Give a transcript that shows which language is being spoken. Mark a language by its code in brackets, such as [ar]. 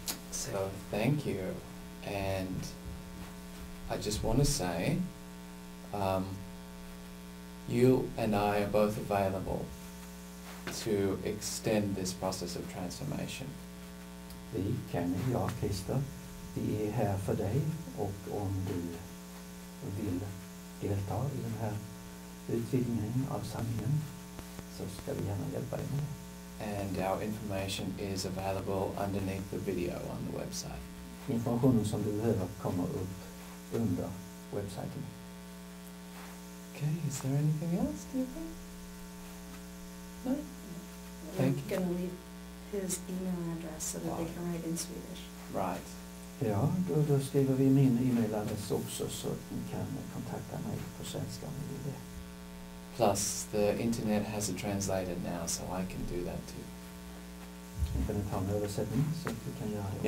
[en] So thank you, and I just want to say, you and I are both available to extend this process of transformation. [sv] Vi, Kenny, jag, Christer, vi är här för dig, och om du vill delta I den här utvidgningen av sanningen, så ska vi gärna hjälpa dig med. [en] And our information is available underneath the video on the website. [sv] Informationen som du behöver kommer upp under webbsajten. [en] Okay, is there anything else, do you think? No? Thank you. I'm going to leave his email address so that they can write in Swedish. Right. [sv] Ja, då skriver vi min e-mailadress också så att ni kan kontakta mig på svenska om ni vill det. [en] Plus, the internet has a translator now, so I can do that too. [sv] Internet har en översättning, så du kan göra det.